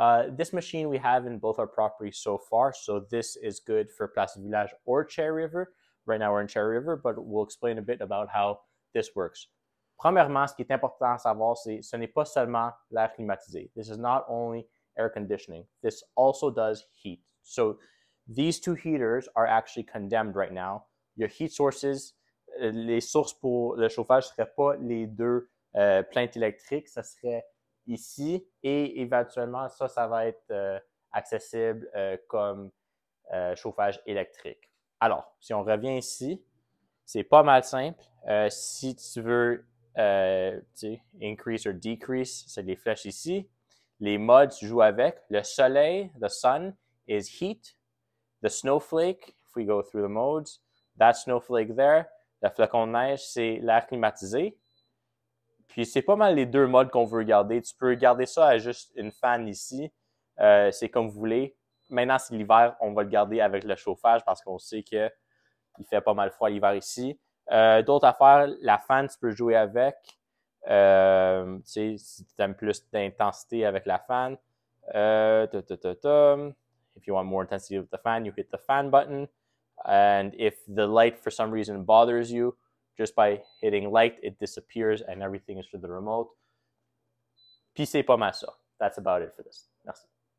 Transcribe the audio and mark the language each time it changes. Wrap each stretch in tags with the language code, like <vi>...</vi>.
<en>This machine we have in both our properties so far, so this is good for Place du Village or Cherry River. Right now we're in Cherry River, but we'll explain a bit about how this works.</en> <fr>Premièrement, ce qui est important à savoir, c'est ce n'est pas seulement l'air climatisé.</fr> <en>This is not only air conditioning. This also does heat. So these two heaters are actually condemned right now. Your heat sources,</en> <fr>les sources pour le chauffage ne seraient pas les deux plaintes électriques, ça serait ici et éventuellement ça va être accessible comme chauffage électrique. Alors, si on revient ici, c'est pas mal simple. Si tu veux</fr> <en>increase or decrease,</en> <fr>c'est les flèches ici. Les modes, tu joues avec. Le soleil,</fr> <en>the sun, is heat. The snowflake, if we go through the modes, that snowflake there.</en> <fr>Le flocon de neige, c'est l'air climatisé. Puis, c'est pas mal les deux modes qu'on veut garder. Tu peux garder ça à juste une fan ici. C'est comme vous voulez. Maintenant, c'est l'hiver. On va le garder avec le chauffage parce qu'on sait que il fait pas mal froid l'hiver ici. D'autres affaires, la fan, tu peux jouer avec. Si tu aimes plus d'intensité avec la fan.</fr> <en>If you want more intensity with the fan, you hit the fan button. And if the light, for some reason, bothers you, just by hitting light, it disappears and everything is for the remote.</en> <fr>Puis c'est pas mal ça.</fr> <en>That's about it for this. Merci.</en>